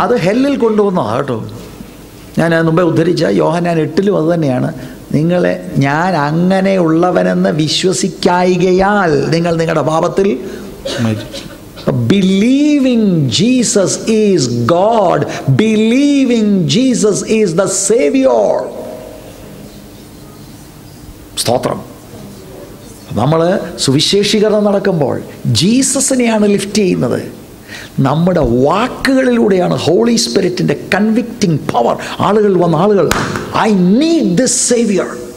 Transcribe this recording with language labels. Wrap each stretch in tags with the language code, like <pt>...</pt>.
<ml>അത് ഹെല്ലിൽ കൊണ്ടുവന്നോ കേട്ടോ, ഞാൻ മുമ്പേ ഉദ്ധരിച്ച യോഹന്നാൻ എട്ടിലും അത് തന്നെയാണ്. നിങ്ങളെ ഞാൻ അങ്ങനെയുള്ളവനെന്ന് വിശ്വസിക്കായികയാൽ നിങ്ങൾ നിങ്ങളുടെ പാപത്തിൽ മരിച്ചു.</ml> <en>Believing Jesus is God, believing Jesus is the Savior.</en> <ml>സ്തോത്രം. നമ്മൾ സുവിശേഷീകരണം നടക്കുമ്പോൾ ജീസസിനെയാണ് ലിഫ്റ്റ് ചെയ്യുന്നത്. നമ്മുടെ വാക്കുകളിലൂടെയാണ് ഹോളി സ്പിരിറ്റിൻ്റെ കൺവിക്റ്റിംഗ് പവർ. ആളുകൾ വന്ന ആളുകൾ,</ml> <en>I need this saviour.</en>